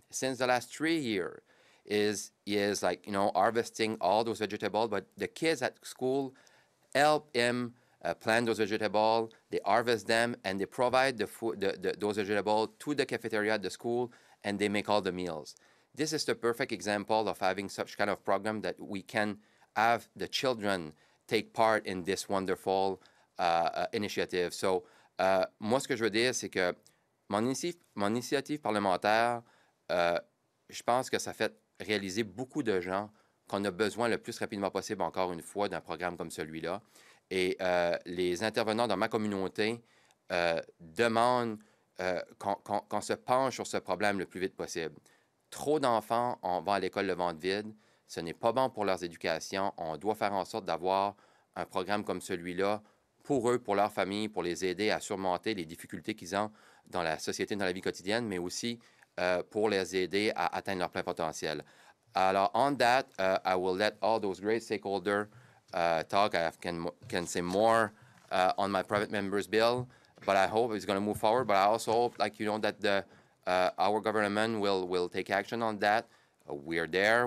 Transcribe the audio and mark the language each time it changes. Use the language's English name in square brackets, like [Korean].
[English] Since the last 3 years, he is like, you know, harvesting all those vegetables, but the kids at school help him plant those vegetables, they harvest them, and they provide the food, those vegetables to the cafeteria at the school, and they make all the meals. This is the perfect example of having such kind of program that we can have the children take part in this wonderful initiative. [French] So, moi, ce que je veux dire, c'est que mon initiative parlementaire, je pense que ça fait réaliser beaucoup de gens qu'on a besoin le plus rapidement possible, encore une fois, d'un programme comme celui-là. Et les intervenants dans ma communauté demandent qu'on se penche sur ce problème le plus vite possible. Trop d'enfants vont à l'école le ventre vide. Ce n'est pas bon pour leur éducation. On doit faire en sorte d'avoir un programme comme celui-là pour eux, pour leur famille, pour les aider à surmonter les difficultés qu'ils ont dans la société, dans la vie quotidienne, mais aussi pour les aider à atteindre leur plein potentiel. [English] Alors, on that, I will let all those great stakeholders talk. I can say more on my private member's bill, but I hope it's going to move forward. But I also hope, like, you know, that our government will take action on that. We're there.